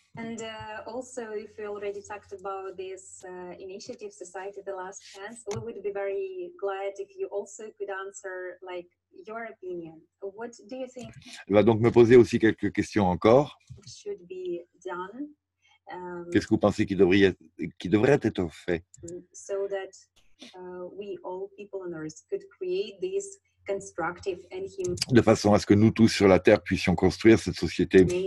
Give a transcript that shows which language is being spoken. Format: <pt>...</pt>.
<en>And also, if you already talked about this initiative, Society the Last Chance, we would be very glad if you also could answer, like, your opinion. What do you think?</en> <fr>Va donc me poser aussi quelques questions encore.</fr> <en>Should be done.</en> <fr>Qu'est-ce que vous pensez qui devrait être fait?</fr> <en>So that we all people on Earth could create this constructive and human.</en> <fr>De façon à ce que nous tous sur la Terre puissions construire cette société.</fr>